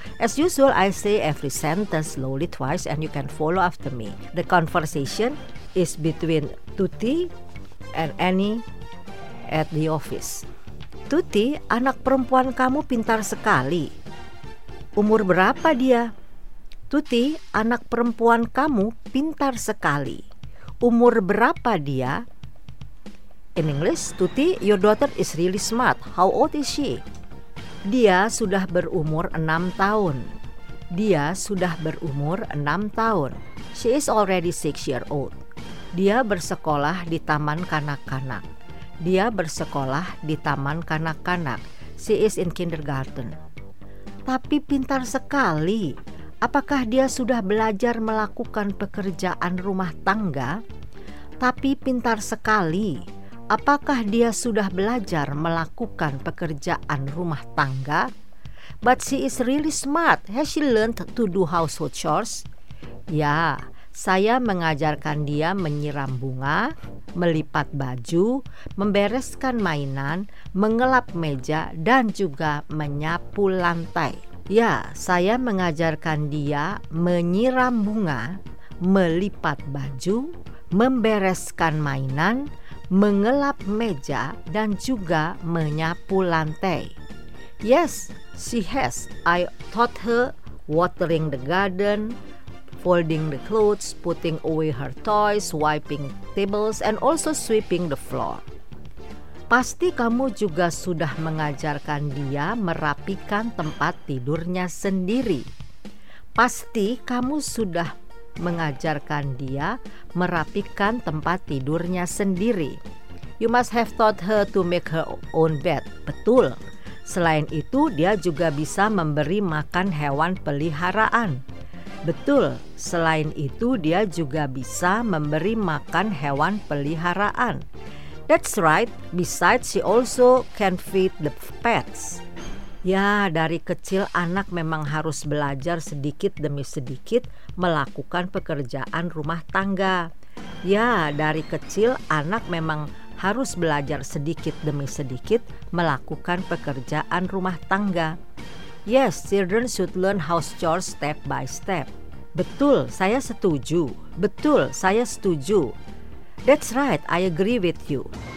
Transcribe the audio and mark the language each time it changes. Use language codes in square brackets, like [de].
[en] As usual, I say every sentence slowly twice and you can follow after me. The conversation is between Tuti and Annie at the office. [id] Tuti, anak perempuan kamu pintar sekali. Umur berapa dia? Tuti, anak perempuan kamu pintar sekali. Umur berapa dia? [en] In English, Tuti, your daughter is really smart. How old is she? [id] Dia sudah berumur 6 tahun. Dia sudah berumur 6 tahun. [en] She is already 6 year old. [id] Dia bersekolah di taman kanak-kanak. Dia bersekolah di taman kanak-kanak. [en] She is in kindergarten. [id] Tapi pintar sekali. Apakah dia sudah belajar melakukan pekerjaan rumah tangga? Tapi pintar sekali. Apakah dia sudah belajar melakukan pekerjaan rumah tangga? [en] But she is really smart. Has she learned to do household chores? [id] Ya, saya mengajarkan dia menyiram bunga, melipat baju, membereskan mainan, mengelap meja, dan juga menyapu lantai. Ya, saya mengajarkan dia menyiram bunga, melipat baju, membereskan mainan, mengelap meja, dan juga menyapu lantai. [en] Yes, She has. I taught her watering the garden, folding the clothes, putting away her toys, wiping tables, and also sweeping the floor. [id] Pasti kamu juga sudah mengajarkan dia merapikan tempat tidurnya sendiri. Pasti kamu sudah mengajarkan dia merapikan tempat tidurnya sendiri. [en] You must have taught her to make her own bed. [id] Betul. Selain itu, dia juga bisa memberi makan hewan peliharaan. Betul. Selain itu, dia juga bisa memberi makan hewan peliharaan. [en] That's right. Besides, she also can feed the pets. [id] Ya, dari kecil anak memang harus belajar sedikit demi sedikit melakukan pekerjaan rumah tangga. Ya, dari kecil anak memang harus belajar sedikit demi sedikit melakukan pekerjaan rumah tangga. [en] Yes, children should learn house chores step by step. [id] Betul, saya setuju. Betul, saya setuju. [en] That's right, I agree with you.